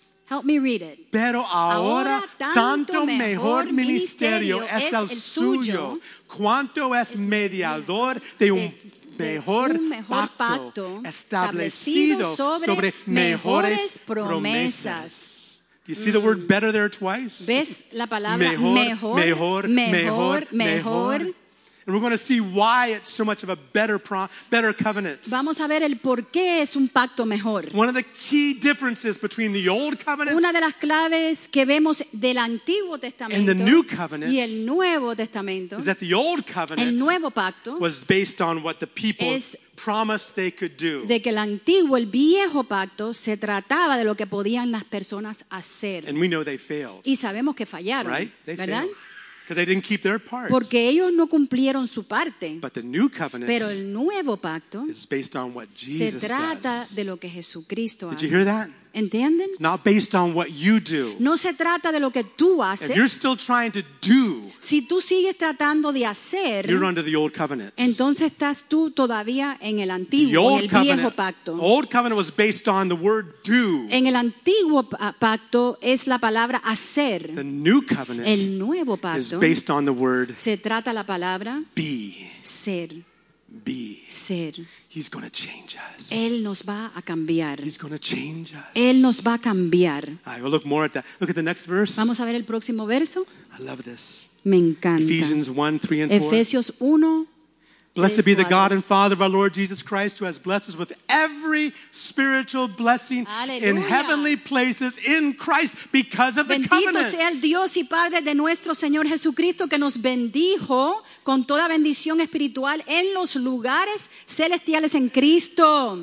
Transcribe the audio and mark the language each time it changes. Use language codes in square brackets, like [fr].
[en] Help me read it. [es] Pero ahora tanto mejor ministerio es el suyo, cuanto es mediador de un mejor pacto establecido sobre mejores promesas. [en] Do you see the word better there twice? [es] ¿Ves la palabra mejor? Mejor, mejor, mejor. [en] And we're going to see why it's so much of a better covenant. [es] Vamos a ver el por qué es un pacto mejor. [en] One of the key differences between the old covenant. [es] Una de las claves que vemos del Antiguo Testamento. [en] And the new covenant. [es] Y el Nuevo Testamento. [en] Is that the old covenant? [es] El nuevo pacto. [en] Was based on what the people promised they could do. [es] De que el antiguo, el viejo pacto, se trataba de lo que podían las personas hacer. [en] And we know they failed. [es] Y sabemos que fallaron. [en] Right? They [es] ¿verdad? [en] Failed. Because they didn't keep their part. [es] Porque ellos no cumplieron su parte. [en] But the new covenant. [es] Pero el nuevo pacto. [en] Is based on what Jesus does. [es] Se trata de lo que Jesucristo hace. [en] Did you hear that? [es] ¿Entienden? [en] It's not based on what you do. [es] No se trata de lo que tú haces. [en] If you're still trying to do. [es] Si tú sigues tratando de hacer. [en] You're under the old covenant. [es] Entonces estás tú todavía en el antiguo, en el viejo pacto. [en] The old covenant was based on the word do. [es] En el antiguo pacto es la palabra hacer. [en] The new covenant. [es] El nuevo pacto. [en] Is based on the word. [es] Se trata la palabra. [en] Be. [es] Ser. [en] Be. [es] Ser. [en] He's going to change us. [es] Él nos va a cambiar. [en] He's going to change us. [es] Él nos va a cambiar. [en] All right, we'll look more at that. Look at the next verse. [es] Vamos a ver el próximo verso. [en] I love this. [es] Me encanta. [en] Ephesians 1, 3 and 4. [es] Efesios 1, 3. [en] Blessed be the God and Father of our Lord Jesus Christ, who has blessed us with every spiritual blessing. [es] Aleluya. [en] In heavenly places in Christ because of the covenant. [es] Bendito sea el Dios y Padre de nuestro Señor Jesucristo, que nos bendijo con toda bendición espiritual en los lugares celestiales en Cristo.